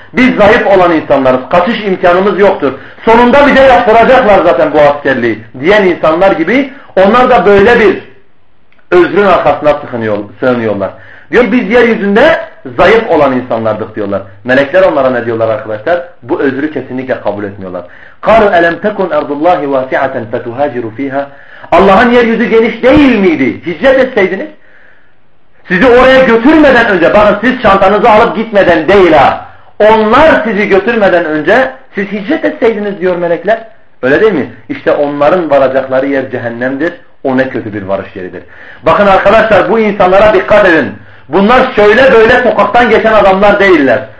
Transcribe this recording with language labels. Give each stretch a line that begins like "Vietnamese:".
Turkish: Biz zayıf olan insanlarız. Kaçış imkanımız yoktur. Sonunda bize yaptıracaklar zaten bu askerliği diyen insanlar gibi. Onlar da böyle bir özrün arkasına sığınıyorlar. Diyor biz yeryüzünde zayıf olan insanlardık diyorlar. Melekler onlara ne diyorlar arkadaşlar? Bu özrü kesinlikle kabul etmiyorlar.
Arabic: قَالُ أَلَمْ تَكُنْ أَرْضُ اللّٰهِ وَاسِعَةً فَتُهَاجِرُ ف۪يهَا
Turkish: Allah'ın yeryüzü geniş değil miydi? Hicret etseydiniz. Sizi oraya götürmeden önce, bakın siz çantanızı alıp gitmeden değil ha. Onlar sizi götürmeden önce siz hicret etseydiniz diyor melekler. Öyle değil mi? İşte onların varacakları yer cehennemdir. O ne kötü bir varış yeridir. Bakın arkadaşlar bu insanlara dikkat edin. Bunlar şöyle böyle sokaktan geçen adamlar değiller.